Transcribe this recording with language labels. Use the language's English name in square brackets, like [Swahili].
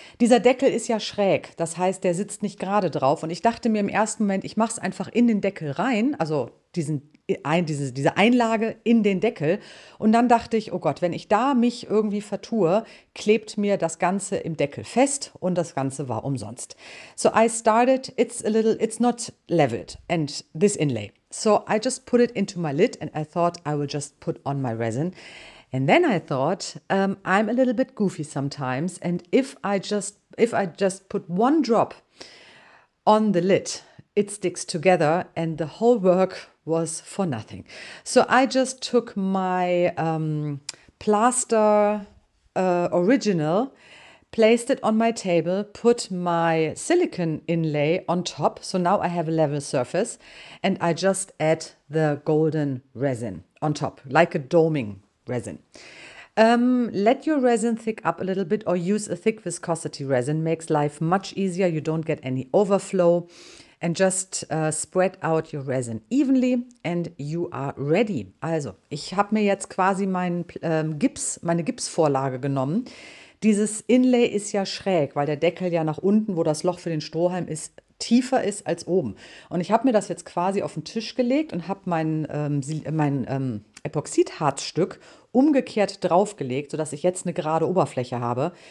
[German] Dieser Deckel ist ja schräg. Das heißt, der sitzt nicht gerade drauf. Und ich dachte mir im ersten Moment, ich mache es einfach in den Deckel rein. Also diese Einlage in den Deckel. Und dann dachte ich, oh Gott, wenn ich da mich irgendwie vertue, klebt mir das Ganze im Deckel fest und das Ganze war umsonst. [English] So I started, it's not leveled and this inlay. So I just put it into my lid and I thought I will just put on my resin. And then I thought, I'm a little bit goofy sometimes and if I just put one drop on the lid. It sticks together and the whole work was for nothing. So I just took my plaster original, placed it on my table, put my silicone inlay on top. So now I have a level surface and I just add the golden resin on top, like a doming resin. Let your resin thick up a little bit or use a thick viscosity resin. Makes life much easier. You don't get any overflow. And just spread out your resin evenly and you are ready. [German] Also, ich habe mir jetzt quasi meine Gipsvorlage genommen. Dieses Inlay ist ja schräg, weil der Deckel ja nach unten, wo das Loch für den Strohhalm ist, tiefer ist als oben. Und ich habe mir das jetzt quasi auf den Tisch gelegt und habe mein Epoxidharzstück umgekehrt draufgelegt, sodass ich jetzt eine gerade Oberfläche habe.